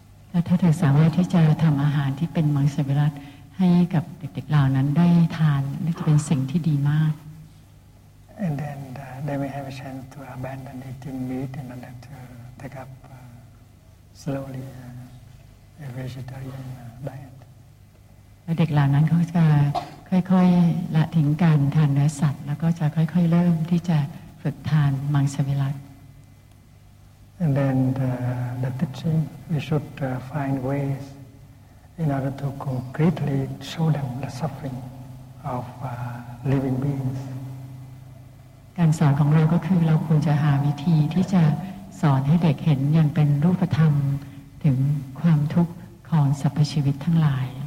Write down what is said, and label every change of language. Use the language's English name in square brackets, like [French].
[Thai] แล้วถ้าเธอสามารถที่จะทำอาหารที่เป็นมังสวิรัติให้กับเด็กๆเหล่านั้นได้ทานนั่นจะเป็นสิ่งที่ดีมาก [English] And then they may have a chance to abandon eating meat and then to take up slowly a vegetarian diet. [Thai] แล้วเด็กเหล่านั้นเขาจะค่อยๆละทิ้งการทานเนื้อสัตว์แล้วก็จะค่อยๆเริ่มที่จะฝึกทานมังสวิรัติ [English] And then the teaching, we should find ways in order to concretely show them the suffering of living beings. [Thai] การสอนของเราก็คือเราควรจะหาวิธีที่จะสอนให้เด็กเห็นอย่างเป็นรูปธรรมถึงความทุกข์ของสรรพชีวิตทั้งหลาย